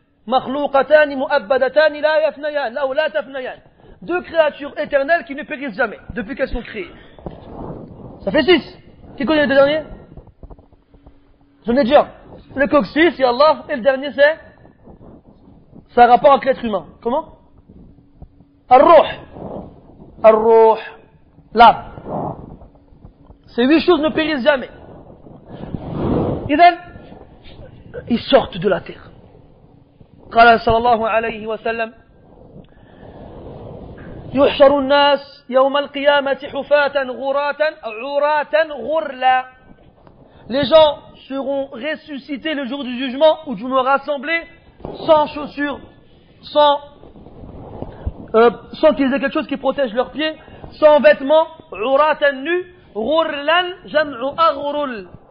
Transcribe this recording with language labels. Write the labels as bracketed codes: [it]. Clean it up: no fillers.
[ar] مخلوقتان مؤبدتان لا يفنيان أو لا تفنيان. [fr] Deux créatures éternelles qui ne périssent jamais depuis qu'elles sont créées. Ça fait six. Qui connaît les deux derniers? J'en ai déjà. Le coccyx, y'a Allah, et le dernier c'est? Ça a rapport avec l'être humain. Comment? Ar-Ruh. Ar-Ruh. L'âme. Ces huit choses ne périssent jamais. Idem, ils sortent de la terre. [ar] قال صلى الله عليه وسلم يحشر الناس يوم القيامة حفاة غراتا عراتا غرلا. [fr] Les gens seront ressuscités le jour du jugement où je me rassemblerai sans chaussures, sans qu'ils aient quelque chose qui protège leurs pieds, sans vêtements, [ar] عراتا [fr] nu, [ar] غرلا جمع أغرل.